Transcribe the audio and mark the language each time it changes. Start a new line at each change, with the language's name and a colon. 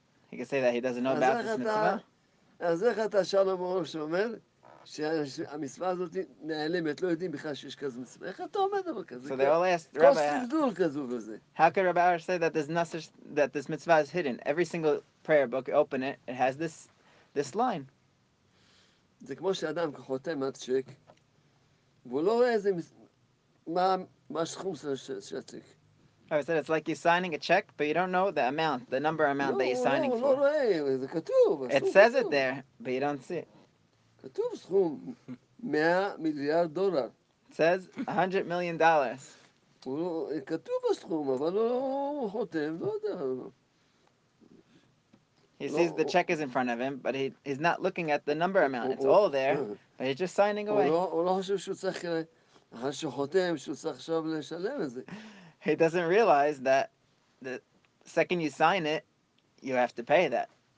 English: He can say that he doesn't know about this mitzvah. So they all asked Rabbi, how could Rabbi say that there's no such, that this mitzvah is hidden? Every single prayer book, you open it, it has this line.
Hebrew: זה כמו שאדם חותם על צ'ק, והוא לא רואה איזה מה הסכום של הצ'ק.
English: I said it's like you're signing a check, but you don't know the amount, the number amount that you're signing for.
Hebrew: לא רואה, זה כתוב.
English: It says it there, but you don't see it.
Hebrew: כתוב סכום 100 מיליארד דולר.
English: It says $100 million.
Hebrew: כתוב הסכום, אבל לא חותם, לא יודע.
English: He sees the check is in front of him, but he's not looking at the number amount. It's all there, but he's just signing away. He doesn't realize that the second you sign it, you have to pay that.